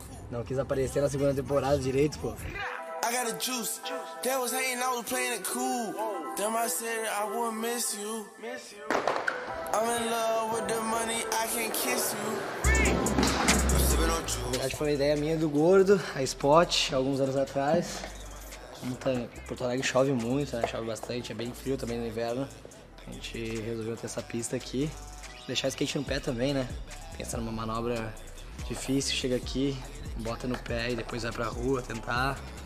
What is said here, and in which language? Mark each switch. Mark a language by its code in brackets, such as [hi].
[pt] não quis aparecer na segunda temporada direito, pô. [en] I got a juice. That was hating, I was playing it cool. Then I said I would miss you. I'm in love with the money, I can kiss you. [pt] Na verdade, foi uma ideia minha do Gordo, a Spot, alguns anos atrás. Como tá, Porto Alegre chove muito, né? Chove bastante, é bem frio também no inverno. A gente resolveu ter essa pista aqui. Deixar o skate no pé também, né? Pensa numa manobra difícil, chega aqui, bota no pé e depois vai pra rua tentar.